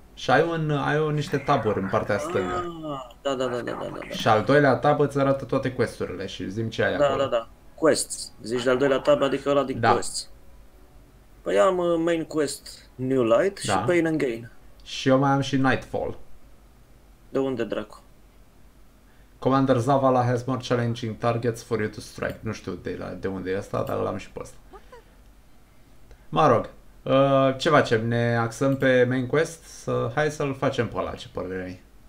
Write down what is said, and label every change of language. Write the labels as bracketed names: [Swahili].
[Romanian] Și ai un, ai un niște taburi în partea stângă. Da, da, da, da, da, da. Și al doilea tab îți arată toate quest-urile și zim ce ai da, acolo. Da, da, da. Quests. Zici de al doilea tab, adică ăla de da. Quests. Păi am main quest New Light și da. Pain and Gain. Și eu mai am și Nightfall. De unde, dracu? [English] Commander Zavala has more challenging targets for you to strike. [Romanian] Nu știu de unde e asta, dar l-am și pe ăsta. Mă rog, ce facem? Ne axăm pe main quest? Hai să-l facem pe ăla, ce părere ai.